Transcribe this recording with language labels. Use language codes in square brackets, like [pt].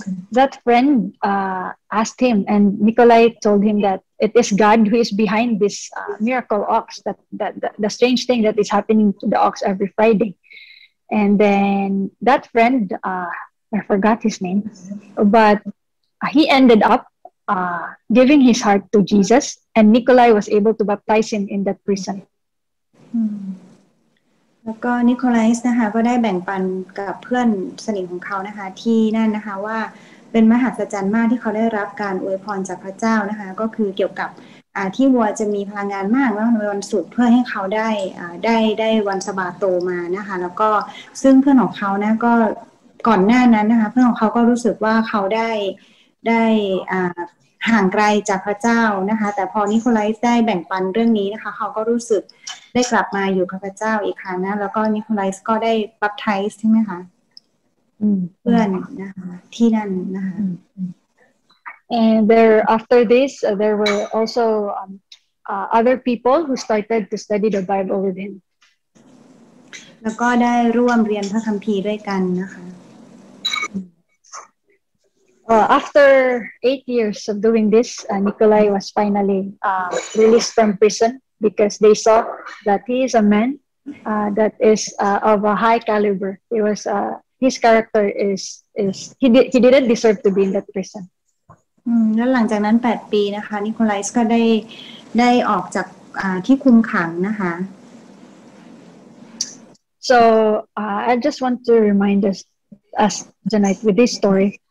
[en] That friend asked him and Nikolai told him that it is God who is behind this miracle ox that the strange thing that is happening to the ox every Friday. And then that friend, I forgot his name, but he ended up giving his heart to Jesus, and Nikolai was able to baptize him in that prison. [th] แล้วก็นิโคไลส์นะคะก็ได้แบ่งปันกับเพื่อนสนิทของเขานะคะที่นั่นนะคะว่าเป็นมหัศจรรย์มากที่เขาได้รับการอวยพรจากพระเจ้านะคะก็คือเกี่ยวกับที่วัวจะมีพลังงานมากในวันสุดเพื่อให้เขาได้วันสะบาโตมานะคะแล้วก็ซึ่งเพื่อนของเขานะก็ก่อนหน้านั้นนะคะเพื่อนของเขาก็รู้สึกว่าเขาได้ ห่างไกลจากพระเจ้านะคะแต่พอนิโคไลส์ได้แบ่งปันเรื่องนี้นะคะเขาก็รู้สึกได้กลับมาอยู่กับพระเจ้าอีกครั้งนะแล้วก็นิโคไลส์ก็ได้บัพไทส์ใช่ไหมคะเพื่อนนะคะที่นั่นนะคะ [en] And there, after this, there were also other people who started to study the Bible with him. [th] แล้วก็ได้ร่วมเรียนพระคัมภีร์ด้วยกันนะคะ [en] After 8 years of doing this, Nikolai was finally released from prison because they saw that he is a man that is of a high caliber. It was his character is he didn't deserve to be in that prison. [th] แล้วหลังจากนั้น8ปีนะคะนิโคไลส์ก็ได้ออกจากที่คุมขังนะคะ [en] So I just want to remind us tonight with this story.